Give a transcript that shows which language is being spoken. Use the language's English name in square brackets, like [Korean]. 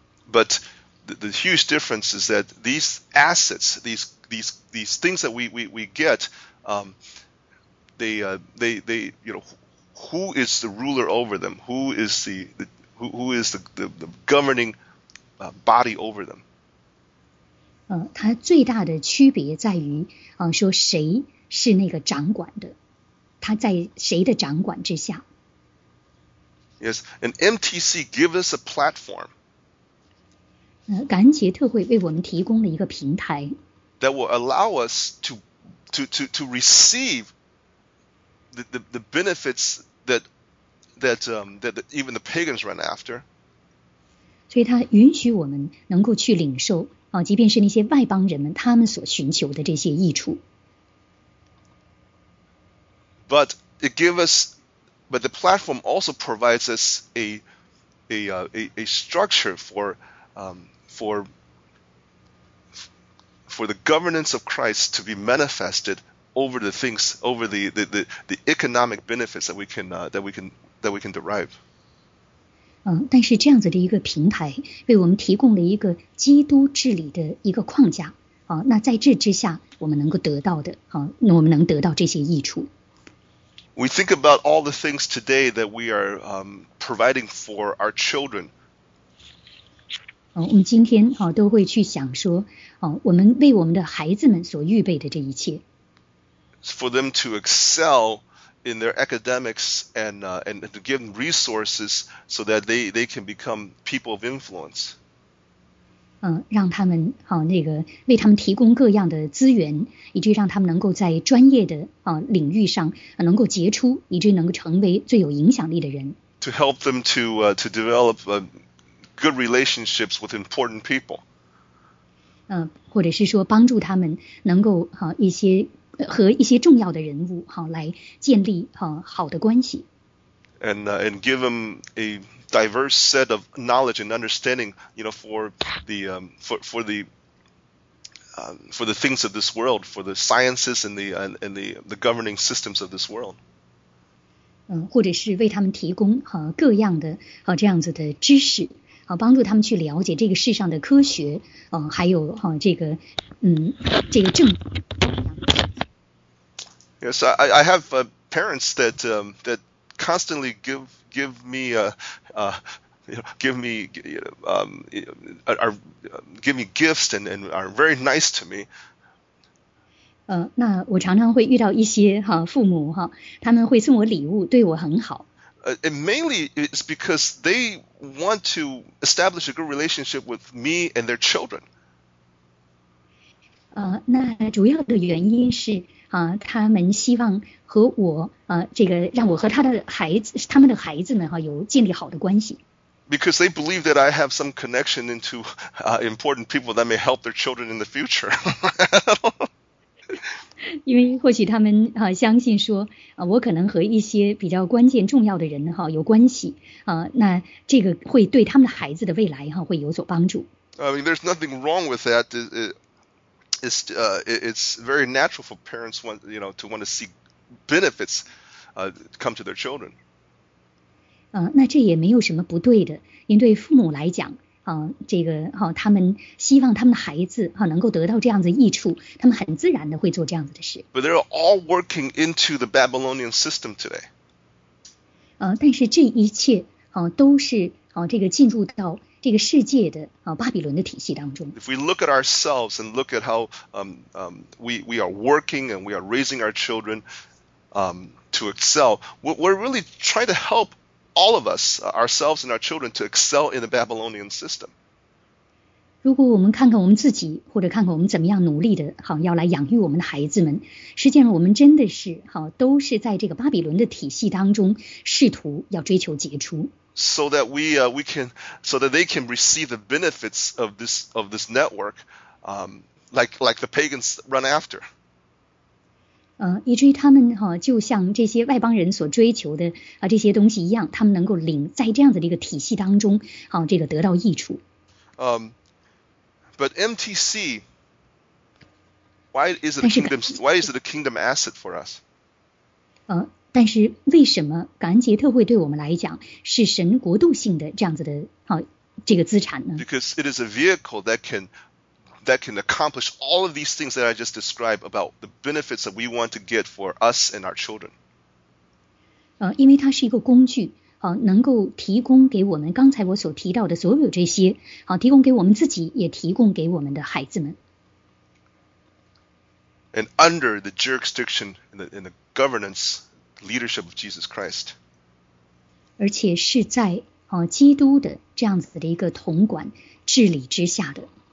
[English] But the huge difference is that these assets, these things that we get, they you know, who is the ruler over them? Who is the governing body over them? [Chinese] 它最大的区别在于说谁是那个掌管的，它在谁的掌管之下。 [English] Yes, and MTC give us a platform. [Chinese] 感恩节特会为我们提供了一个平台。 [English] That will allow us to receive. The benefits that even the pagans run after. [Chinese] 所以他允许我们能够去领受即便是那些外邦人们他们所寻求的这些益处。 [English] But it gives us, but the platform also provides us a structure for the governance of Christ to be manifested. Over the things, over the economic benefits that we can derive. [Chinese] 但是这样子的一个平台为我们提供了一个基督治理的一个框架那在这之下我们能够得到的那我们能得到这些益处。 [English] We think about all the things today that we are providing for our children. [Chinese] 我们今天都会去想说我们为我们的孩子们所预备的这一切。 [English] For them to excel in their academics and to give them resources so that they can become people of influence. [Chinese] 让他们为他们提供各样的资源，以致让他们能够在专业的领域上能够杰出，以致能够成为最有影响力的人。 [English] To help them to develop good relationships with important people. [Chinese] 或者是说帮助他们能够一些。和一些重要的人物来建立好的关系。 [English] And give them a diverse set of knowledge and understanding, you know, for the things of this world, for the sciences and the governing systems of this world. [Chinese] 或者是为他们提供各样的这样子的知识帮助他们去了解这个世上的科学还有这个政府。 [English] Yes, I have parents that constantly give me gifts and are very nice to me. [Chinese] 那我常常会遇到一些父母他们会送我礼物，对我很好。 [English] And mainly it's because they want to establish a good relationship with me and their children. [Chinese] 那主要的原因是。他们希望和我这个让我和他的孩子他们的孩子们有建立好的关系。 [English] Because they believe that I have some connection into important people that may help their children in the future. [Chinese] 因为或许他们相信说我可能和一些比较关键重要的人有关系那这个会对他们的孩子的未来会有所帮助。 [English] I mean, there's nothing wrong with that. it's very natural for parents to want to see benefits come to their children. [Chinese] 那这也没有什么不对的，因对父母来讲，他们希望他们的孩子能够得到这样子益处，他们很自然的会做这样子的事。 [English] But they're all working into the Babylonian system today. [Chinese] 但是这一切都是这个进入到这个世界的巴比伦的体系当中。 [English] If we look at ourselves and look at how we are working and we are raising our children to excel, we're really trying to help all of us, ourselves and our children, to excel in the Babylonian system. [Chinese] 如果我们看看我们自己，或者看看我们怎么样努力的要来养育我们的孩子们，实际上我们真的是都是在这个巴比伦的体系当中试图要追求杰出。 [English] So that we can, so that they can receive the benefits of this network, like the pagans run after. [Chinese] 以至于他们就像这些外邦人所追求的这些东西一样，他们能够领在这样子的一个体系当中，这个得到益处。 [English] But MTC, why is it a kingdom? Why is it a kingdom asset for us? [Chinese] 但是为什么感恩节特会对我们来讲是神国度性的这样子的这个资产呢 [English] ？Because it is a vehicle that can accomplish all of these things that I just described about the benefits that we want to get for us and our children. [Chinese] 因为它是一个工具，能够提供给我们刚才我所提到的所有这些，提供给我们自己，也提供给我们的孩子们。 [English] And under the jurisdiction in the governance leadership of Jesus Christ. [Chinese] 而且是在基督的这样子的一个统管治理之下的。